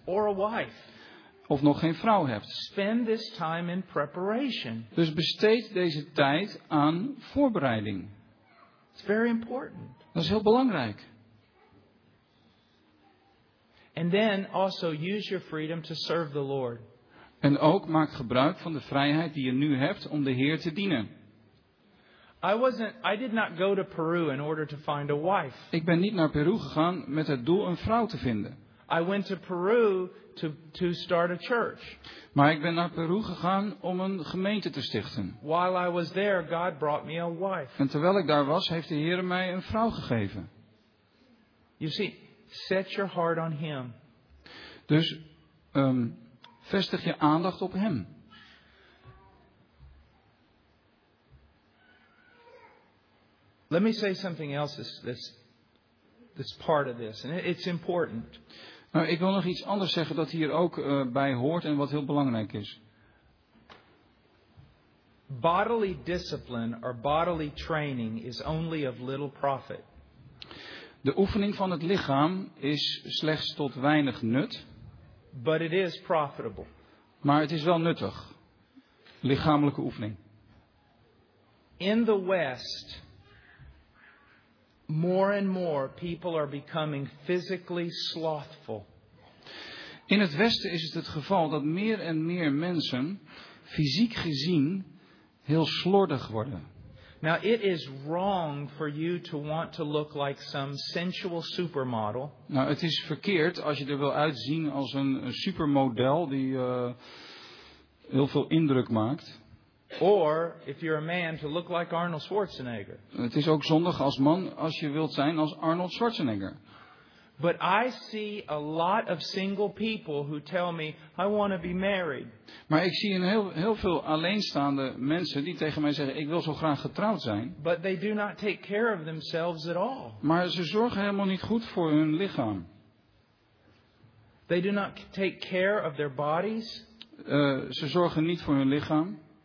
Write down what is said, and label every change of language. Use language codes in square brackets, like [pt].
[en] Or a wife. [nl] Of nog geen vrouw hebt. [en] Spend this time in preparation. [nl] Dus besteed deze tijd aan voorbereiding. [en] It's very important. [nl] Dat is heel belangrijk. [en] And then also use your freedom to serve the Lord. [nl] En ook maak gebruik van de vrijheid die je nu hebt om de Heer te dienen. [en] I did not go to Peru in order to find a wife. [nl] Ik ben niet naar Peru gegaan met het doel een vrouw te vinden. [en] I went to Peru to start a church. [nl] Maar ik ben naar Peru gegaan om een gemeente te stichten. [en] While I was there, God brought me a wife. [nl] En terwijl ik daar was, heeft de Heer mij een vrouw gegeven. [en] You see, set your heart on him. [nl] Dus vestig je aandacht op hem. [en] Let me say something else this part of this, and it's important. [nl] Nou, ik wil nog iets anders zeggen dat hier ook bij hoort en wat heel belangrijk is. [en] Bodily discipline or bodily training is only of little profit. [nl] De oefening van het lichaam is slechts tot weinig nut. [en] But it is profitable. [nl] Maar het is wel nuttig. Lichamelijke oefening. [en] In the West, more and more people are becoming physically slothful. [nl] In het Westen is het het geval dat meer en meer mensen fysiek gezien heel slordig worden. [en] Now it is wrong for you to want to look like some sensual supermodel. [nl] Nou, het is verkeerd als je er wil uitzien als een supermodel die heel veel indruk maakt. [en] Or if you're a man to look like Arnold Schwarzenegger. [nl] Het is ook zondig als man als je wilt zijn als Arnold Schwarzenegger. [en] But I see a lot of single people who tell me I want to be married. [nl] Maar ik zie een heel veel alleenstaande mensen die tegen mij zeggen ik wil zo graag getrouwd zijn. [en] But they do not take care of themselves at all. [nl] Maar ze zorgen helemaal niet goed voor hun lichaam. [en] They do not take care of their bodies. [nl] Ze zorgen niet voor hun lichaam.